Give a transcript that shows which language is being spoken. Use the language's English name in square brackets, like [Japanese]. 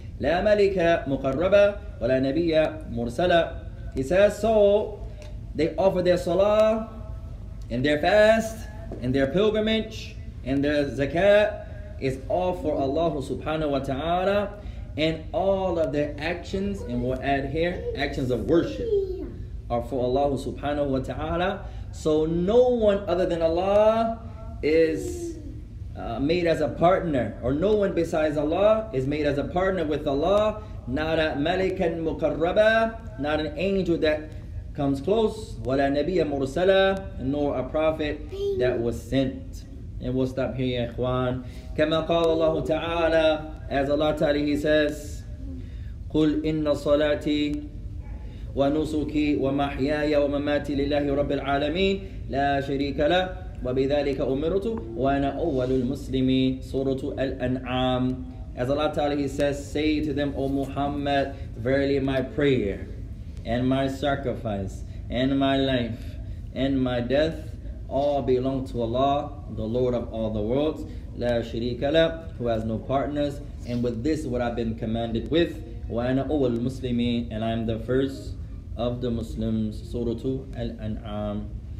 [Arabic] لا ملك مقربة ولا نبي مرسلة. [English] He says, so they offer their salah and their fast and their pilgrimage and their zakat is all for Allah subhanahu wa ta'ala, and all of their actions, and we'll add here, actions of worship are for Allah subhanahu wa ta'ala. So no one other than Allah is made as a partner, or no one besides Allah is made as a partner with Allah not a malikan mukarraba, not an angel that comes close, wala nabiyya mursala, nor a prophet that was sent. And we'll stop here, ikhwan. Kama qala Allah ta'ala, as Allah ta'ala he says, [Arabic] قُلْ إِنَّ صَلَاتِي وَنُسُكِي وَمَحْيَايَ وَمَمَاتِي لِلَّهِ رَبِّ الْعَالَمِينَ لَا شَرِيكَ لَهُ وَبِذَلِكَ أُمِرْتُ وَأَنَا أَوَّلُ الْمُسْلِمِينَ سُورَةُ الْأَنْعَامِ. [English] As Allah Ta'ala he says, say to them, O Muhammad, verily my prayer and my sacrifice and my life and my death all belong to Allah, the Lord of all the worlds, [Arabic] لَا شَرِيكَ لَهُ, [English] who has no partners, and with this what I've been commanded with, [Arabic] وَأَنَا أَوَّلُ الْمُسْلِمِينَ, [English] and I am the first of the Muslims, Suratu Al-An'am.